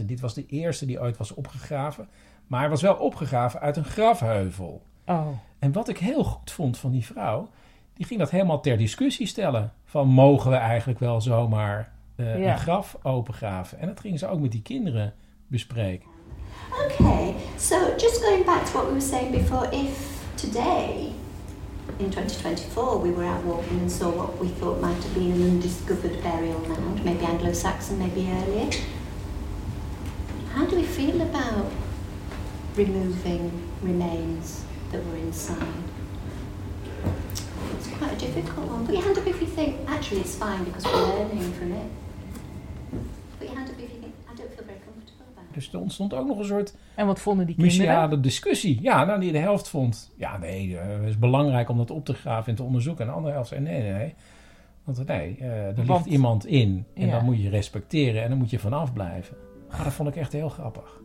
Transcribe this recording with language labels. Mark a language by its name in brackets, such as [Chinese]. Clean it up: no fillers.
[Dutch] En dit was de eerste die ooit was opgegraven. Maar hij was wel opgegraven uit een grafheuvel. Oh. En wat ik heel goed vond van die vrouw, die ging dat helemaal ter discussie stellen. Van, mogen we eigenlijk wel zomaar een graf opengraven? En dat gingen ze ook met die kinderen bespreken. [English] Okay, so just going back to what we were saying before, if today, in 2024, we were out walking and saw what we thought might have been an undiscovered burial mound, maybe Anglo-Saxon, maybe earlier, how do we feel about removing remains that were inside? It's quite a difficult one. Put your hand up if you think, actually it's fine because we're learning from it. Put your hand up if you think, I don't feel very comfortable about it. [Dutch] Dus er ontstond ook nog een soort... En wat vonden die kinderen? Museale discussie. Ja, nou, die de helft vond... Ja, nee, het is belangrijk om dat op te graven en te onderzoeken. En de andere helft zei, nee. Want nee, ligt iemand in. En ja, dan moet je respecteren en dan moet je vanaf blijven. Maar dat vond ik echt heel grappig.